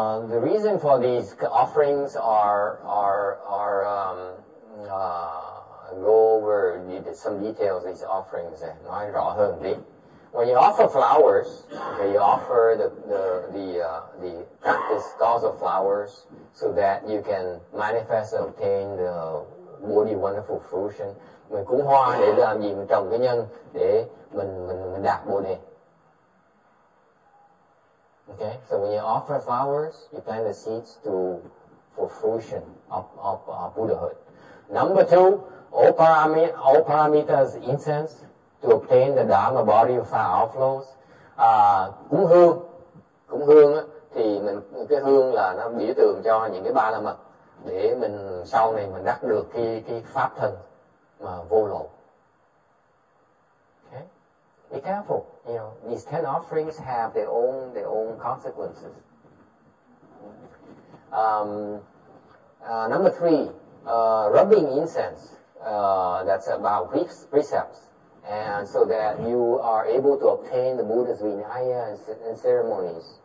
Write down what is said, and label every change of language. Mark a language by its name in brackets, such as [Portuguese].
[English] The reason for these offerings are go over some details of these offerings. [Vietnamese] Nói rõ hơn đi. [English] When you offer flowers, okay, you offer the practice cause of flowers so that you can manifest and obtain the Bodhi wonderful fruition. [Vietnamese] Mình cúng hoa để làm gì? Mình trồng cái nhân để mình đạt Bồ Đề. [English] Okay, so when you offer flowers, you plant the seeds to for fruition of Buddhahood. Number two, Oparamita's incense to obtain the Dharma body of fire outflows. [Vietnamese] Cúng hương á, thì mình cái hương là nó biểu tượng cho những cái ba la mật để mình sau này mình đắc được cái pháp thân mà vô lậu. [English] Okay, be careful. You know, these 10 offerings have their own consequences. Number 3, rubbing incense. That's about precepts, and so that you are able to obtain the Buddha's Vinaya and ceremonies.